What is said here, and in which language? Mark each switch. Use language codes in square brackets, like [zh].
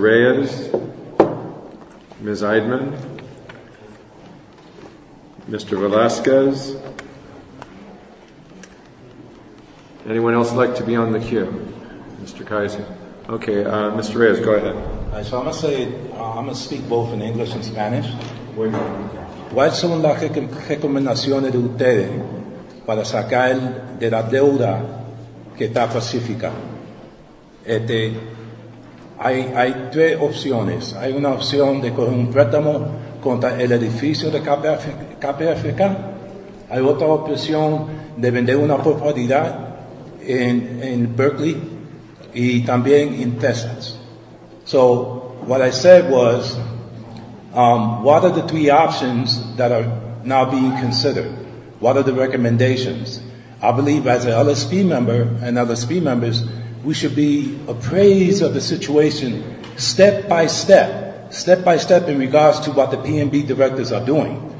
[en] Reyes, Ms. Eidman, Mr. Velasquez. Anyone else like to be on the queue? Mr. Kaiser. Okay, Mr. Reyes, go ahead. So I'm going to say, I'm going to speak both in English and Spanish. [es] ¿Cuáles son las recomendaciones de ustedes para sacar de la deuda que está Pacifica? Hay tres opciones. Hay una opción de coger un préstamo contra el edificio de KPFK. Hay otra opción de vender una propiedad en Berkeley y también en Texas. [en] So what I said was, what are the three options that are now being considered? What are the recommendations? I believe as an LSP member and other LSP members, we should be appraised of the situation step by step in regards to what the PNB directors are doing.